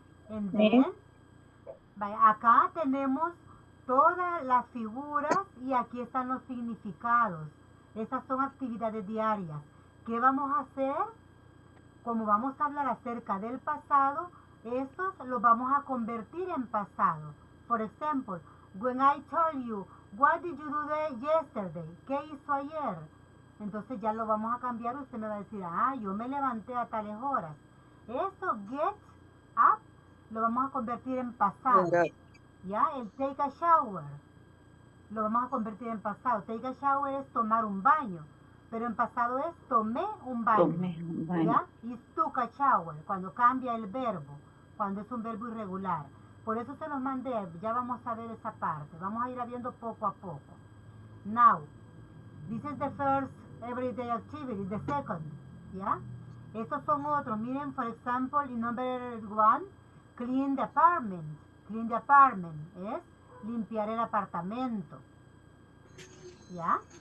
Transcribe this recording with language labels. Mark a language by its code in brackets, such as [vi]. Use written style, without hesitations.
[en] And then, [es] acá tenemos todas las figuras y aquí están los significados. Esas son actividades diarias. ¿Qué vamos a hacer? Como vamos a hablar acerca del pasado, estos los vamos a convertir en pasado. Por ejemplo, [en] when I told you, what did you do yesterday? [es] ¿Qué hizo ayer? Entonces ya lo vamos a cambiar. Usted me va a decir, yo me levanté a tales horas. Esto, get up, lo vamos a convertir en pasado. ¿Ya? El take a shower, lo vamos a convertir en pasado. Take a shower es tomar un baño, pero en pasado es tomé un baño. ¿Ya? Y took a shower, cuando cambia el verbo, cuando es un verbo irregular. Por eso se los mandé, ya vamos a ver esa parte. Vamos a ir viendo poco a poco. [en] Now, this is the first everyday activity, the second. [es] ¿Ya? Estos son otros. Miren, [en] for example, in number one, clean the apartment, [es] es limpiar el apartamento, ¿ya?